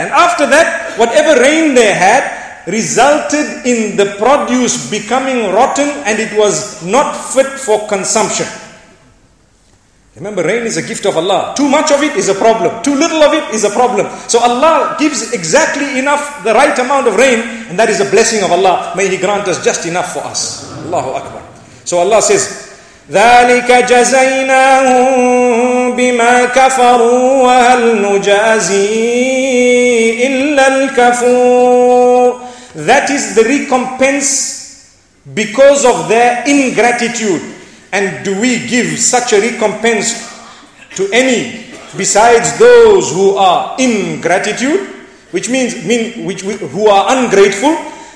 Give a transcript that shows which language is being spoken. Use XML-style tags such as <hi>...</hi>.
<en>And after that, whatever rain they had resulted in the produce becoming rotten, and it was not fit for consumption. Remember, rain is a gift of Allah. Too much of it is a problem. Too little of it is a problem. So Allah gives exactly enough, the right amount of rain, and that is a blessing of Allah. May He grant us just enough for us. Allahu Akbar. So Allah says,</en> <ar>ذلك جزيناهم بما كفروا وهل نجازي إلا الكفور.</ar> <en>That is the recompense because of their ingratitude. And do we give such a recompense to any besides those who are ingratitude, who are ungrateful?</en>